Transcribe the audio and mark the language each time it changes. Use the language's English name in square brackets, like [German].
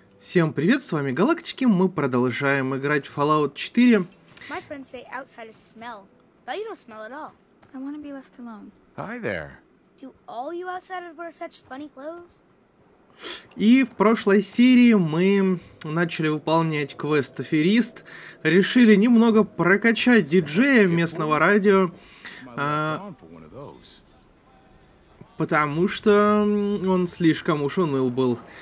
[Russian] Всем привет, с вами Галактики, мы продолжаем играть в Fallout 4. [English] My friends say outside is smell, but you don't smell at all. I want to be left alone. Hi there. Do all you outsiders wear such funny clothes? [Russian] И в прошлой серии мы начали выполнять квест аферист, решили немного прокачать диджея местного радио, потому что он слишком уж уныл был.